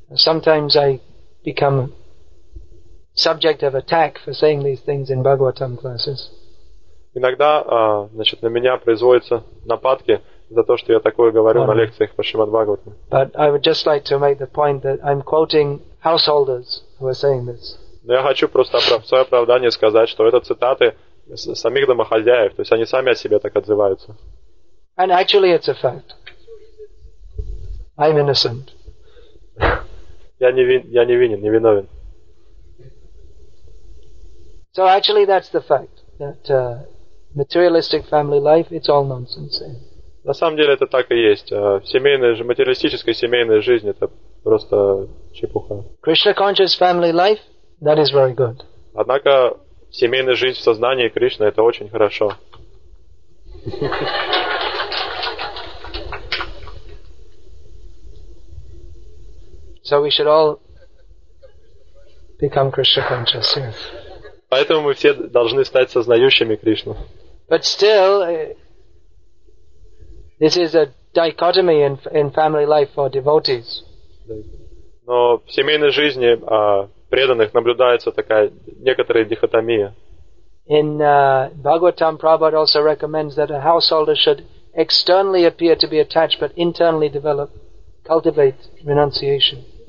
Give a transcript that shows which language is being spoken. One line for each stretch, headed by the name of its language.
English: Sometimes I become subject of attack for saying these things in Bhagavatam classes.
Russian: Иногда, значит, на меня производятся нападки за то, что я такое говорю на лекциях по Шримад Бхагаватам.
English: But I would just like to make the point that I'm quoting householders who are saying this.
Russian: Но я хочу просто свое оправдание сказать, что это цитаты самих домохозяев, то есть они сами о себе так отзываются.
English: And actually it's a fact. I'm innocent.
Russian: Я не виновен.
English: So actually that's the fact, that materialistic family life, it's all nonsense.
Russian: На самом деле это так и есть. Семейная же, материалистическая семейная жизнь, это просто чепуха.
English: Krishna conscious family life, that is very good.
Russian: Однако семейная жизнь в сознании Кришны — это очень хорошо.
English: So we should all become Krishna conscious. Yes.
Russian: Поэтому мы все должны стать сознающими Кришну.
English: But still, this is a dichotomy in family life for devotees.
Russian: Но в семейной жизни преданных наблюдается такая некоторая дихотомия.
English: In Bhagavatam, Prabhupada also recommends that a householder should externally appear to be attached, but internally develop, cultivate renunciation.